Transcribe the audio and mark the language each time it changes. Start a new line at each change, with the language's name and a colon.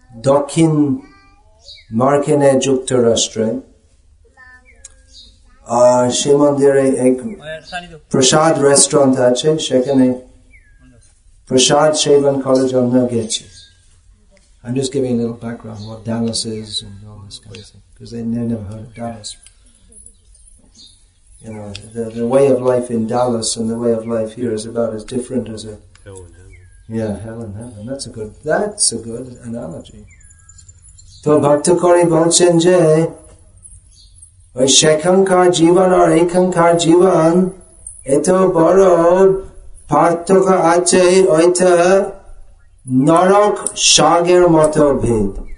Bangla: দক্ষিণ মার্কিনে যুক্তরাষ্ট্রে আর সে মন্দিরে এক প্রসাদ রেস্টুরেন্ট আছে, সেখানে প্রসাদ সেবন করার জন্য গেছি।
English: I'm just giving a little background what Dallas is and all this kind of thing, because they never heard of Dallas. You know, the way of life in Dallas and the way of life here is about as different as a hell and heaven. That's a good analogy.
Bangla: তো ভক্ত করে বলছেন যে ওই সেখানকার জীবন আর এখানকার জীবন এত বড় পার্থক্য আছে, ওইটা নরক সাগের মতো ভেদ।